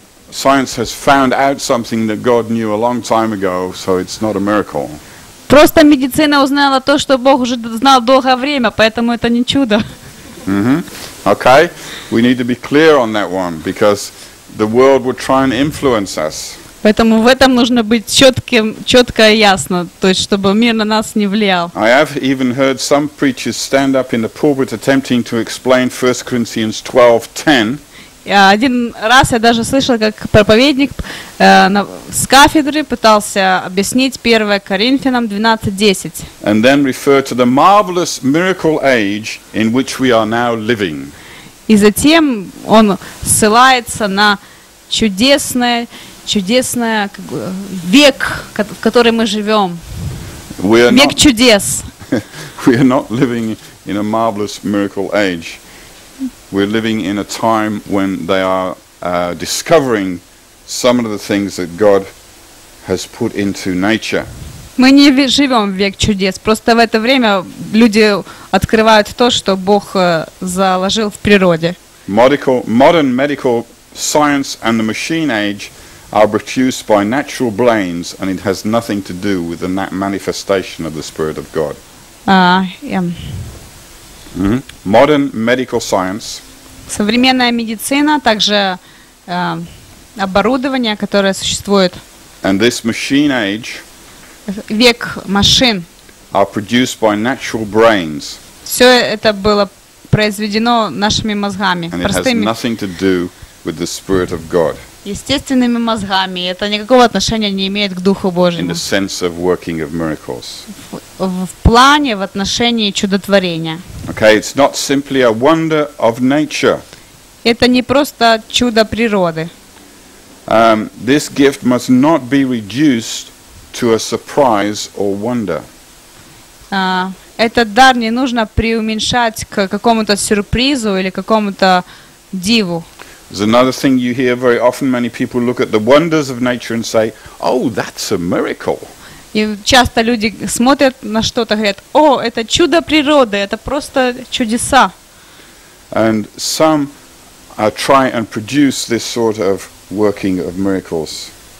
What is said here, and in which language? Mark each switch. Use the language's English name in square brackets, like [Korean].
[English] Science has found out something that God knew a long time ago, so it's not a miracle. [Russian] Просто медицина узнала то, что Бог уже знал долгое время, поэтому это не чудо. [English] Okay, we need to be clear on that one, because the world would try and influence us. [Russian] Поэтому в этом нужно быть четким, четко и ясно, то есть чтобы мир на нас не влиял. [English] I have even heard some preachers stand up in the pulpit attempting to explain 1 Corinthians 12:10. [Russian] Я один раз я даже слышал, как проповедник с кафедры пытался объяснить 1 Коринфянам 12:10. [English] And then refer to the marvelous miracle age in which we are now living. [Russian] И затем он ссылается на чудесное как бы, век, в который мы живем. Век чудес. [English] We are not living in a marvelous miracle age. We're living in a time when they are discovering some of the things that God has put into nature. [Russian] Мы не живем в век чудес. Просто в это время люди открывают то, что Бог заложил в природе. [English] Modern medical science and the machine age are produced by natural brains, and it has nothing to do with the manifestation of the Spirit of God. Modern medical science. [Russian] Современная медицина, также оборудование, которое существует. [English] And this machine age. [Russian] Век машин. [English] Are produced by natural brains. [Russian] Все это было произведено нашими мозгами, [English] and [Russian] простыми. [English] And it has nothing to do with the Spirit of God. [Russian] Естественными мозгами. Это никакого отношения не имеет к Духу Божьему. [English] In the sense of working of miracles. [Russian] В плане, в отношении чудотворения. [English] Okay, it's not simply a wonder of nature. [Russian] Это не просто чудо природы. [English] This gift must not be reduced to a surprise or wonder. [Russian] Этот дар не нужно преуменьшать к какому-то сюрпризу или какому-то диву. [English] There's another thing you hear very often. Many people look at the wonders of nature and say, "Oh, that's a miracle." [Russian] И часто люди смотрят на что-то и говорят: "О, это чудо природы, это просто чудеса." [English] And some try and produce this sort of working of miracles.